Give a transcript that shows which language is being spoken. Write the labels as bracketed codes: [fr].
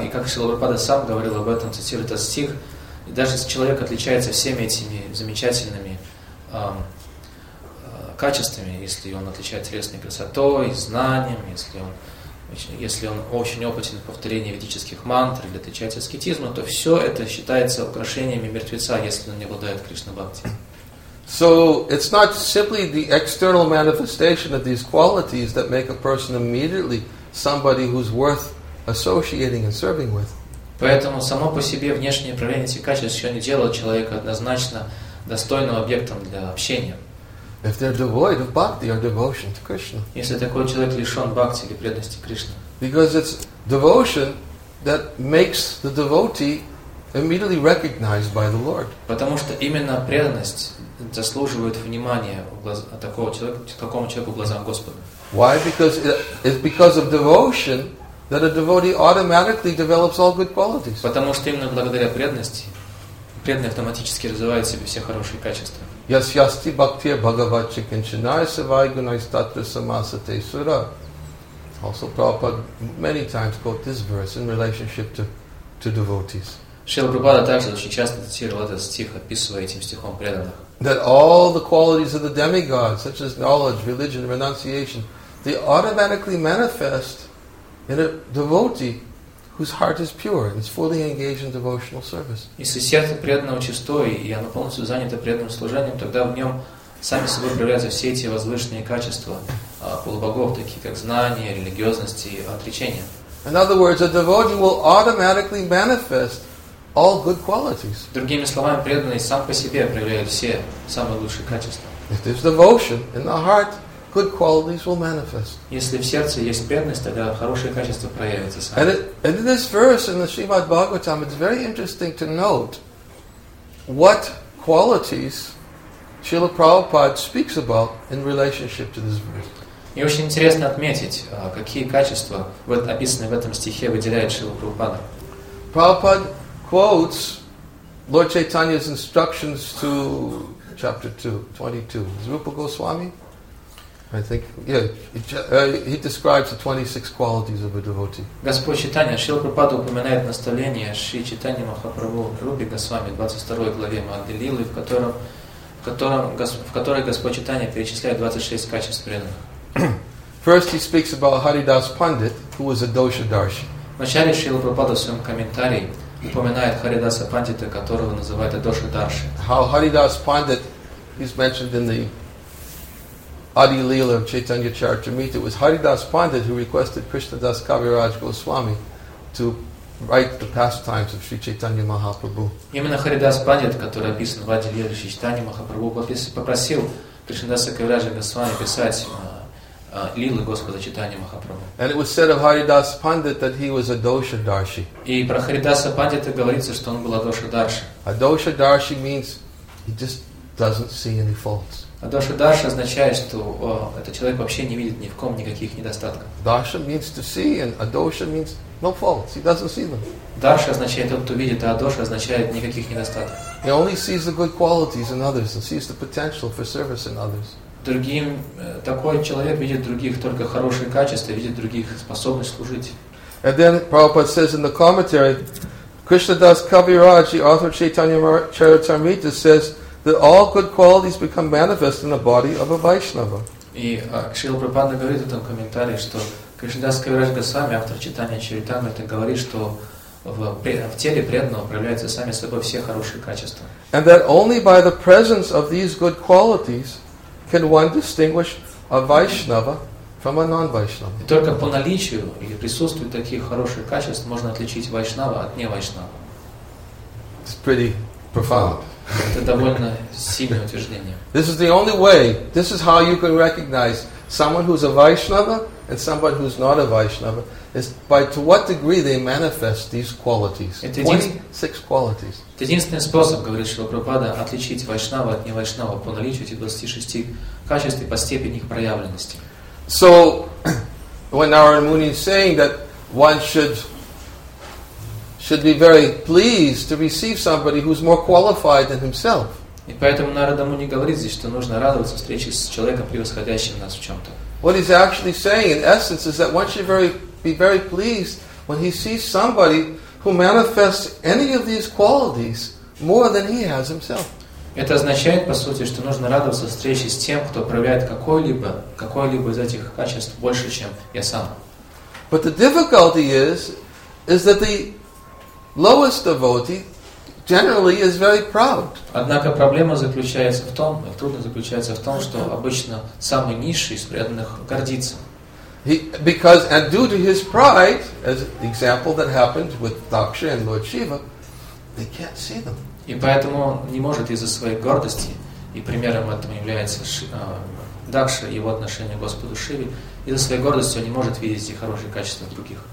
[ru] И как Шрила Прабхупада сам говорил об этом, цитирует этот стих, даже если человек отличается всеми этими замечательными качествами, если он отличается телесной красотой, знанием, если он очень опытен в повторении ведических мантр или отличается аскетизмом, то все это считается украшениями мертвеца, если он не обладает Кришна-бхакти. [en] So it's not simply the external manifestation of these qualities that make a person immediately somebody who's worth associating and serving with. [ru] Поэтому само по себе внешнее проявление этих качеств еще не делает человека однозначно достойным объектом для общения. [en] If they're devoid of bhakti or devotion to Krishna. [ru] Если такой человек лишен бхакти или преданности Кришне. [en] Because it's devotion that makes the devotee immediately recognized by the Lord. [ru] Потому что именно преданность заслуживает внимания такого человека, такому человеку в глазах Господа. [en] Why? Because it's because of devotion that a devotee automatically develops all good qualities. [ru] Потому что именно благодаря преданности преданный автоматически развивает в себе все хорошие качества. [sa] Yasyasti bhaktiya bhagavachi kinchinaya savai gunaistatra samasate sura. [en] Also Prabhupada many times quote this verse in relationship to devotees. [ru] Шрила Прабхупада также очень часто цитировал этот стих, описывая этим стихом преданных. [en] That all the qualities of the demigods, such as knowledge, religion, renunciation, they automatically manifest in a devotee whose heart is pure and is fully engaged in devotional service. [ru] Если сердце преданного чистое и оно полностью занято преданным служением, тогда в нем сами собой проявляются все эти возвышенные качества полубогов, такие как знание, религиозность и отречение. [en] In other words, a devotee will automatically manifest all good qualities. [ru] Другими словами, преданный сам по себе проявляет все самые лучшие качества. [en] If there's devotion in the heart, good qualities will manifest. [ru] Если в сердце есть преданность, тогда хорошие качества проявятся сами. [en] And in this verse in the Srimad Bhagavatam, it's very interesting to note what qualities Srila Prabhupada speaks about in relationship to this verse. [ru] И очень интересно отметить, какие качества, описанные в этом стихе, выделяет Шрила Прабхупада. [en] Prabhupada quotes Lord Chaitanya's instructions to chapter 22. Rupa Goswami? I think, he describes the 26 qualities of a devotee. [ru] Господь Читания, Шрила Прабхупада упоминает наставление Шри Читания Махапрабху Рупи Госвами, 22 главе Мадхилилы, в которой Господь Читания перечисляет 26 качеств преданных. [en] First he speaks about Haridas Pandit, who was a Dosha Darshi. [ru] Вначале Шрила Прабхупада в своем комментарии упоминает Харидаса Пандита, которого называют Адоша Дарши. [en] How Haridas Pandit is mentioned in the Adi Leela of Chaitanya Charitamrita. It was Haridas Pandit who requested Krishna Das Kaviraj Goswami to write the pastimes of Sri Chaitanya Mahaprabhu. [ru] Именно Харидас Пандит, который описан в Адди Лиле Шри Чайтанья Махапрабху, попросил Кришна Даса Кавираджа Госвами писать Лилы Господа Читания Махапрабху. [en] And it was said of Haridas Pandit that he was a Dosha Darshi. [ru] И про Харидаса Пандита говорится, что он был Адоша Дарши. [en] A Dosha Darshi means he just doesn't see any faults. [ru] А даша даша означает, что этот человек вообще не видит ни в ком никаких недостатков. [en] Даша means to see, and adosha means no faults. He doesn't see them. [ru] Даша означает тот, кто видит, а адоша означает никаких недостатков. [en] He only sees the good qualities in others and sees the potential for service in others. [ru] Другим такой человек видит других только хорошие качества, видит других способность служить. [en] And then Prabhupada says in the commentary, Krishna Das Kaviraj, the author of Chaitanya Charitamrita, says that all good qualities become manifest in the body of a Vaishnava. [ru] И Шрила Прабхупада говорит в этом комментарии, что Кришна Дас Кавираджа Госвами, автор Чайтанья Чаритамриты, говорит, что в теле преданного проявляются сами собой все хорошие качества. [en] And that only by the presence of these good qualities can one distinguish a Vaishnava from a non-Vaishnava. [ru] И только по наличию и присутствию таких хороших качеств можно отличить Вайшнава от не Вайшнава. [en] It's pretty profound. [ru] Это довольно сильное утверждение. [en] This is the only way. This is how you can recognize someone who's a Vaishnava and somebody who's not a Vaishnava is by to what degree they manifest these qualities. 26 qualities. [ru] Это единственный способ, говорит Шрила Прабхупада, отличить Вайшнава от не Вайшнава по наличию этих 26 качеств и по степени их проявленности. [en] So, when Narada Muni is saying that one should be very pleased to receive somebody who's more qualified than himself. [ru] И поэтому Нарада Муни говорит здесь, что нужно радоваться встрече с человеком, превосходящим нас в чем-то. [en] What he's actually saying, in essence, is that one should be very pleased when he sees somebody who manifests any of these qualities more than he has himself. [ru] Это означает, по сути, что нужно радоваться встрече с тем, кто проявляет какое-либо из этих качеств больше, чем я сам. [en] But the difficulty is that the lowest devotee generally is very proud. [ru] Однако проблема заключается в том, трудность заключается в том, что обычно самый низший из преданных гордится. [en] Because due to his pride, as the example that happened with Daksha and Lord Shiva, they can't see them. [ru] И поэтому не может из-за своей гордости, и примером этому является Дакша и его отношение к Господу Шиве, из-за своей гордости он не может видеть и хорошие качества других.